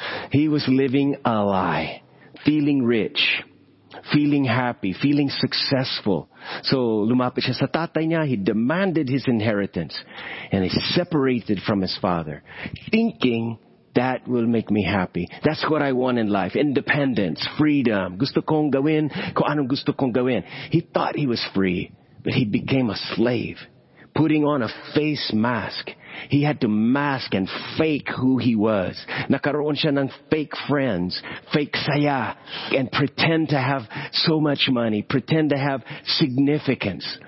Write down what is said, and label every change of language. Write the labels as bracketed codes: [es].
[en] He was living a lie, feeling rich, feeling happy, feeling successful. [tl] So lumapit siya sa tatay niya, [en] he demanded his inheritance, and he separated from his father, thinking, that will make me happy. That's what I want in life. Independence, freedom. [tl] Gusto kong gawin kung anong gusto kong gawin. [en] He thought he was free, but he became a slave, putting on a face mask. He had to mask and fake who he was. [tl] Nakaroon siya ng fake friends, fake saya, [en] and pretend to have so much money, pretend to have significance.